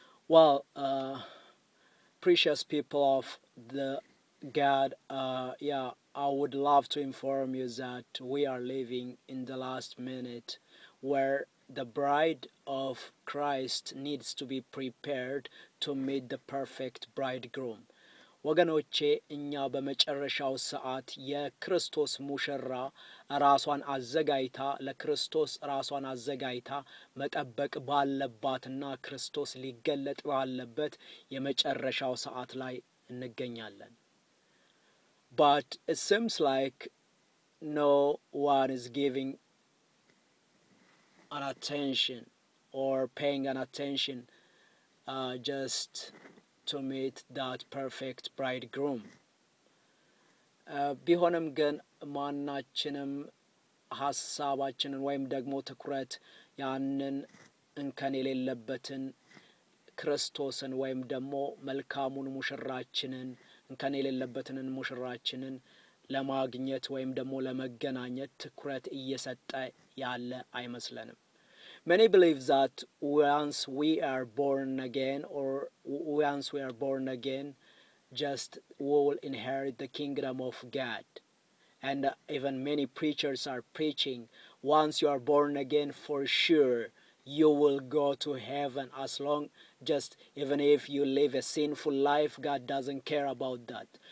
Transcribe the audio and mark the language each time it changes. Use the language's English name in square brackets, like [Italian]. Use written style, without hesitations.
[English] Well, precious people of the God, I would love to inform you that we are living in the last minute where the bride of Christ needs to be prepared to meet the perfect bridegroom. [Amharic] ወገኖቼ እኛ በመጨረሻው ሰዓት የክርስቶስ ሙሽራ ራሷን አዘጋጅታ ለክርስቶስ ራሷን አዘጋጅታ መጠበቅ ባለባትና ክርስቶስ ሊገለጥ ባለበት የመጨረሻው ሰዓት ላይ እንገኛለን። [English] But it seems like no one is giving an attention or paying an attention just to meet that perfect bridegroom. [Amharic] ቢሆንም ግን ማናችንም ሐሳባችንን ወይም ደግሞ ትኩረት ያንን እንከን የሌለበትን ክርስቶስን ወይም ደግሞ መልካሙን ሙሽራችንን እንከን የሌለበትን ሙሽራችንን ለማግኘት ወይም ደግሞ ለመገናኘት ትኩረት እየሰጠ ያለ አይመስለንም። [English] Many believe that once we are born again, or once we are born again, just we will inherit the kingdom of God. And even many preachers are preaching, once you are born again, for sure you will go to heaven, as long just even if you live a sinful life, God doesn't care about that.